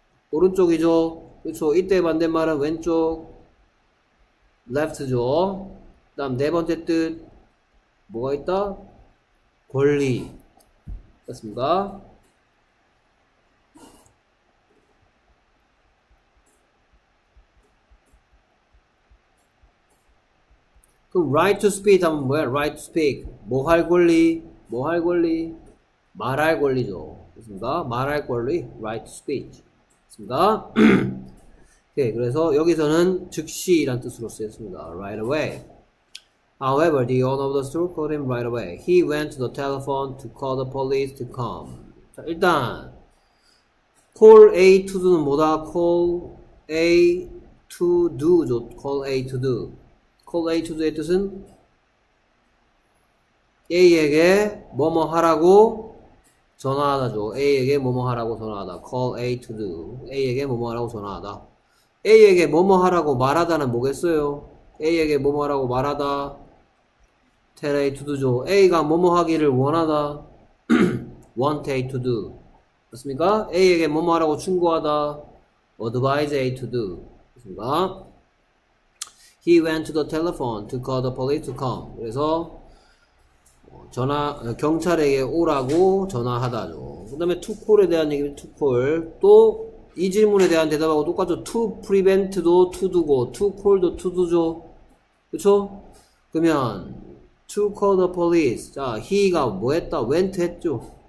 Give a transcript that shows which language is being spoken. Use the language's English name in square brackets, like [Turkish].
[Korean] 오른쪽이죠 그렇죠 이때의 반대말은 왼쪽 left죠 그 다음 네 번째 뜻 뭐가 있다 권리 맞습니다 그럼 [English] right to speak [Korean] 하면 뭐야? right to speak 뭐할 권리? 뭐할 권리? 말할 권리죠. 그렇습니까? 말할 권리, [English] right to speech. [Korean] 그렇습니까? 오케이, 그래서 여기서는 즉시란 뜻으로 쓰였습니다. [English] right away. However, the owner of the store called him right away. He went to the telephone to call the police to come. [Korean] 자, 일단 call A to do는 뭐다? [English] call A to do죠. call A to do. [Korean] Call A to do의 뜻은 A에게 뭐뭐 하라고 전화하다죠. A에게 뭐뭐 하라고 전화하다. [English] Call A to do. [Korean] A에게 뭐뭐 하라고 전화하다. A에게 뭐뭐 하라고 말하다는 뭐겠어요? A에게 뭐뭐 하라고 말하다. [English] Tell A to do죠. [Korean] A가 뭐뭐 하기를 원하다. [English] Want A to do. [Korean] 맞습니까? A에게 뭐뭐 하라고 충고하다. [English] Advise A to do. [Korean] 맞습니까? [English] He went to the telephone to call the police to come. [Korean] 그래서 경찰에게 오라고 전화하다죠. 그 다음에 to call에 대한 얘기는 to call. 또이 질문에 대한 대답하고 똑같죠. to prevent도 to 두고 to call도 to 두죠. 그쵸? 그러면 [English] to call the police. [Korean] 자, he가 뭐 했다? went 했죠.